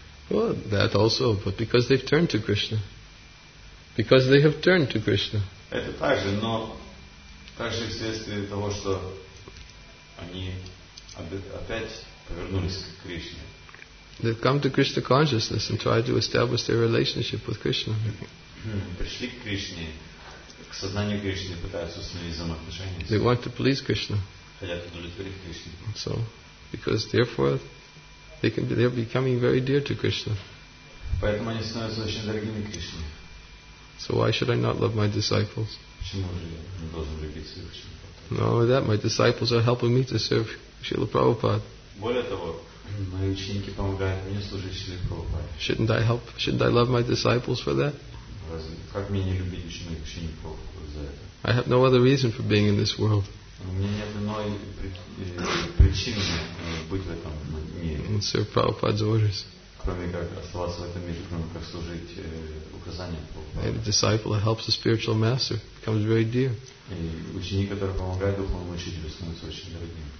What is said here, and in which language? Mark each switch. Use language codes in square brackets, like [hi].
[en] That also, but because they've turned to Krishna. Because they have turned to Krishna. [ru] Это также, но также вследствие того, что они опять повернулись к Кришне. [en] They've come to Krishna consciousness and tried to establish their relationship with Krishna. [ru] Пришли к Кришне, к сознанию Кришны, пытаются установить взаимоотношения. [en] They want to please Krishna. [ru] Хотят удовлетворить Кришне. [en] So, because therefore, they're becoming very dear to Krishna. [ru] Поэтому они становятся очень дорогими Кришне. [en] So why should I not love my disciples? [ru] Почему же я должен любить своих учеников? [en] Not only that, my disciples are helping me to serve Srila Prabhupada. [ru] Более того, мои ученики помогают мне служить Шриле Прабхупаде. [en] Shouldn't I love my disciples for that? [ru] Разве, как мне не любить моих учеников за это? [en] I have no other reason for being in this world. [ru] У меня нет иной причины быть в этом мире. [en] And serve Prabhupada's orders. [ru] кроме как оставаться в этом мире, кроме как служить указанием Бога. [en] And the disciple that helps the spiritual master becomes very dear. [ru] И ученик, который помогает духовному учителю, становится очень дорогим.